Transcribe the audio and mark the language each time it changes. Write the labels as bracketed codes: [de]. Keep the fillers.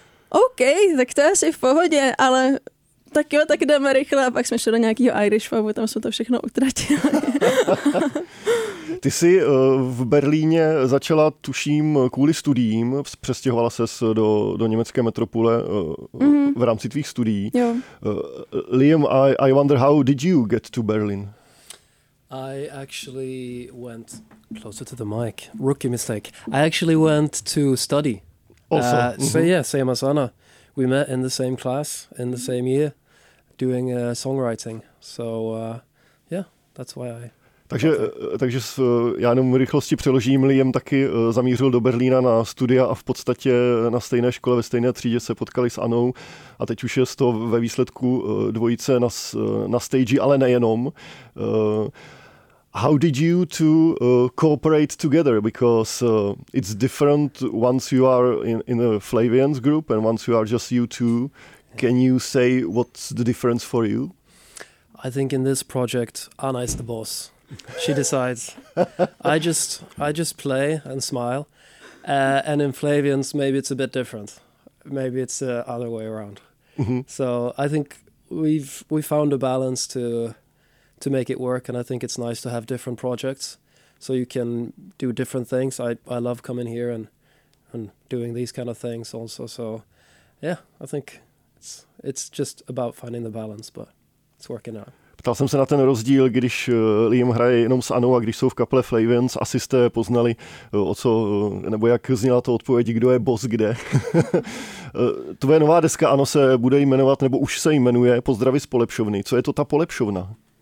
[cs] OK, tak to je asi v pohodě, ale tak jo, tak jdeme rychle. A pak jsme šli do nějakého Irish pubu, tam jsme to všechno utratili. Ty jsi v Berlíně začala, tuším, kvůli studiím, přestěhovala ses do, do německé metropole mm-hmm. v rámci tvých studií. Jo. [en] Liam, I, I wonder how did you get to Berlin? I actually went closer to the mic. Rookie mistake. I actually went to study. Also. Uh, mm-hmm. So uh-huh. yeah, same as Anna. We met in the same class in the same year doing uh, songwriting. So uh, yeah, that's why I. [cs] Takže, takže s, já jenom rychlosti přeložím, Liam taky zamířil do Berlína na studia a v podstatě na stejné škole ve stejné třídě se potkali s Anou a teď už je z toho ve výsledku dvojice na, na stage, ale nejenom. [en] Uh, how did you two uh, cooperate together? Because uh, it's different once you are in, in a Flavians group and once you are just you two. Can you say what's the difference for you? I think in this project, Anna is the boss. She decides. I just I just play and smile. Uh, and in Flavians, maybe it's a bit different. Maybe it's the uh, other way around. Mm-hmm. So I think we've we found a balance to to make it work. And I think it's nice to have different projects so you can do different things. I, I love coming here and, and doing these kind of things also. So, yeah, I think it's just about finding the balance, but it's working out. [cs] Ptal jsem se na ten rozdíl, když Liam hraje jenom s Anou a když jsou v kaple Flavens, asi jste poznali, o co, nebo jak zněla to odpověď, kdo je boss kde. Tvoje nová deska Ano se bude jmenovat, nebo už se jmenuje Pozdravy z polepšovny. Co je to ta polepšovna?